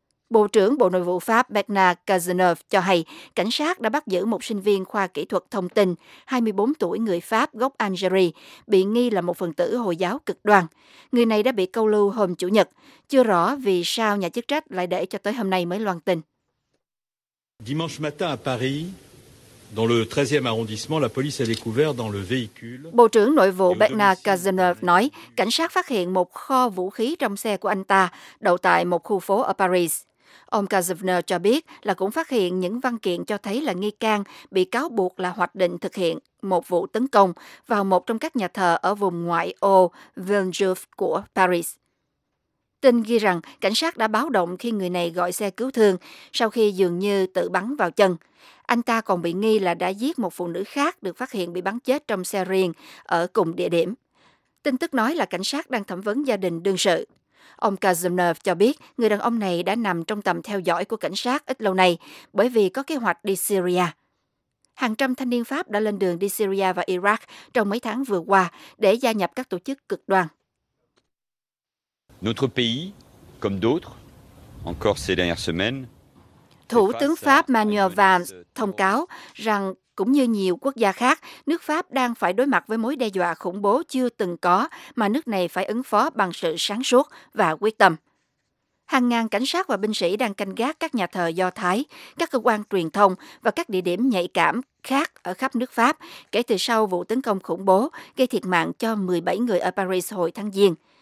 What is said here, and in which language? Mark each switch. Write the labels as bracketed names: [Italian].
[Vietnamese] Bộ trưởng Bộ Nội vụ Pháp Bernard Cazeneuve cho hay cảnh sát đã bắt giữ một sinh viên khoa kỹ thuật thông tin, 24 tuổi người Pháp gốc Algeria, bị nghi là một phần tử Hồi giáo cực đoan. Người này đã bị câu lưu hôm Chủ nhật. Chưa rõ vì sao nhà chức trách lại để cho tới hôm nay mới loan tin. [French] Dimanche matin à Paris. Dans le 13e arrondissement, la police a découvert dans le véhicule. [Vietnamese] Bộ trưởng Nội vụ Bernard Cazeneuve nói, cảnh sát phát hiện một kho vũ khí trong xe của anh ta, đậu tại một khu phố ở Paris. Ông Cazeneuve cho biết là cũng phát hiện những văn kiện cho thấy là nghi can bị cáo buộc là hoạch định thực hiện một vụ tấn công vào một trong các nhà thờ ở vùng ngoại ô Villejuif của Paris. Tin ghi rằng cảnh sát đã báo động khi người này gọi xe cứu thương sau khi dường như tự bắn vào chân. Anh ta còn bị nghi là đã giết một phụ nữ khác được phát hiện bị bắn chết trong xe riêng ở cùng địa điểm. Tin tức nói là cảnh sát đang thẩm vấn gia đình đương sự. Ông Kazimnov cho biết người đàn ông này đã nằm trong tầm theo dõi của cảnh sát ít lâu nay bởi vì có kế hoạch đi Syria. Hàng trăm thanh niên Pháp đã lên đường đi Syria và Iraq trong mấy tháng vừa qua để gia nhập các tổ chức cực đoan. [French] Notre pays, comme d'autres, encore ces dernières semaines. [Vietnamese] Thủ tướng Pháp Manuel Valls thông cáo rằng cũng như nhiều quốc gia khác, nước Pháp đang phải đối mặt với mối đe dọa khủng bố chưa từng có mà nước này phải ứng phó bằng sự sáng suốt và quyết tâm. Hàng ngàn cảnh sát và binh sĩ đang canh gác các nhà thờ Do Thái, các cơ quan truyền thông và các địa điểm nhạy cảm khác ở khắp nước Pháp kể từ sau vụ tấn công khủng bố gây thiệt mạng cho 17 người ở Paris hồi tháng Giêng.